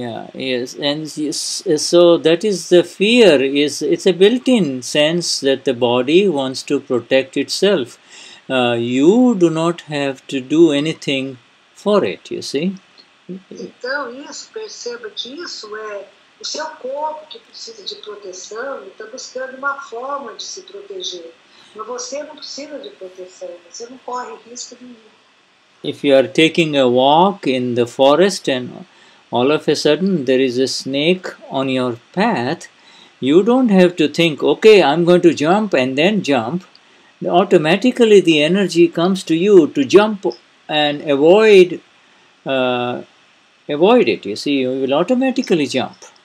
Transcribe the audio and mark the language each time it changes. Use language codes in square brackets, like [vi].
[en] So that is the fear, it's a built-in sense that the body wants to protect itself. You do not have to do anything for it, you see. [pt] Então, isso, perceba que isso é o seu corpo que precisa de proteção e está buscando uma forma de se proteger. Mas você não precisa de proteção, você não corre risco nenhum. [en] If you are taking a walk in the forest and all of a sudden there is a snake on your path, you don't have to think, okay, I'm going to jump and then jump. Automatically the energy comes to you to jump and avoid it, you see, you will automatically jump.